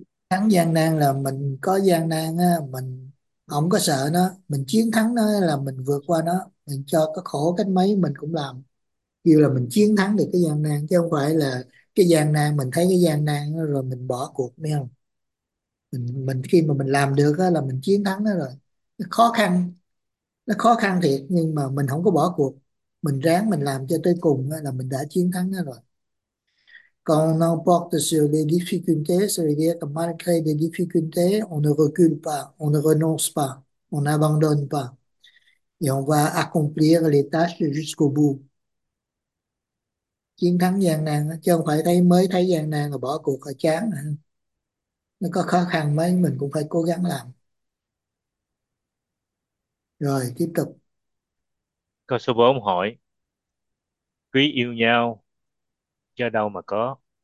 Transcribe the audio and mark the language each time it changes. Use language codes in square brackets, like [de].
[vi] thắng gian nan là mình có gian nan á, mình không có sợ nó, mình chiến thắng nó là mình vượt qua nó, mình cho có khổ cách mấy mình cũng làm, kêu là mình chiến thắng được cái gian nan, chứ không phải là cái gian nan mình thấy cái gian nan rồi mình bỏ cuộc, biết không? Mình khi mà mình làm được á là mình chiến thắng nó rồi. Nó khó khăn thiệt nhưng mà mình không có bỏ cuộc, mình ráng mình làm cho tới cùng á là mình đã chiến thắng nó rồi. [fr] Quand on emporte sur les difficultés, ça veut dire que malgré les difficultés, on ne recule pas, on ne renonce pas, on n'abandonne pas. Et on va accomplir les tâches jusqu'au bout. [vi] Chiến thắng gian nan, chứ không phải thấy mới thấy gian nan là bỏ cuộc, là chán. Nó có khó khăn mấy, mình cũng phải cố gắng làm. Rồi, tiếp tục. câu số 4 hỏi: quý yêu nhau do đâu mà có?